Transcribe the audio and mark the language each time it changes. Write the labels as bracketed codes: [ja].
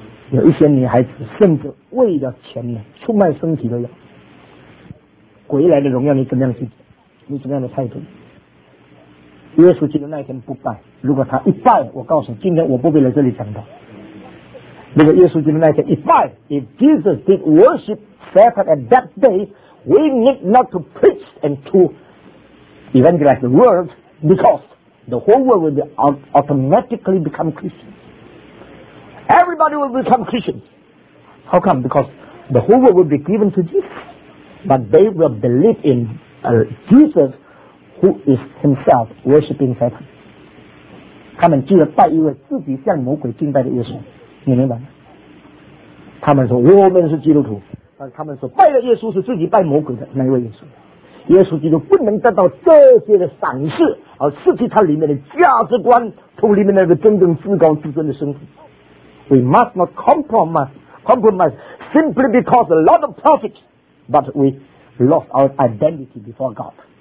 [zh] 有一些女孩子甚至为了钱呢，出卖身体都要。鬼来的荣耀，你怎么样去？你怎么样的态度？耶稣基督那天不拜，如果他一拜，我告诉你，今天我不必来这里讲的。如果耶稣基督那天一拜 [en] ，If Jesus did worship Satan at that day, we need not to preach and to evangelize the world because the whole world will be automatically become Christian. Everybody will become Christians. How come? Because the whole world will be given to Jesus. But they will believe in Jesus who is himself worshipping Satan. [zh] 他们既然拜一位自己向魔鬼敬拜的耶稣，你明白吗？他们说我们是基督徒，但他们说拜的耶稣是自己拜魔鬼的那一位耶稣。耶稣基督不能得到这些的赏识，而失去他里面的价值观，从里面那个真正至高至尊的身份。 [en] We must not compromise simply because a lot of profit, but we lost our identity before God.